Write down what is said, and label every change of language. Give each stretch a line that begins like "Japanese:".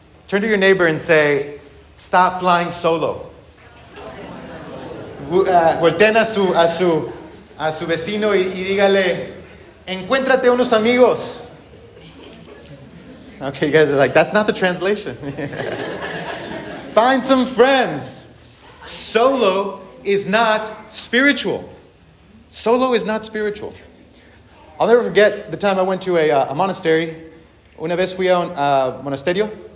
English: Turn to your neighbor and say, stop flying solo.
Spanish: Volten a su vecino y dígale, encuéntrate unos amigos.
English: Okay, you guys are like, that's not the translation. Find some friends. Solo is not spiritual. Solo is not spiritual. I'll never forget the time I went to a monastery.
Spanish: Una vez fui a un monasterio.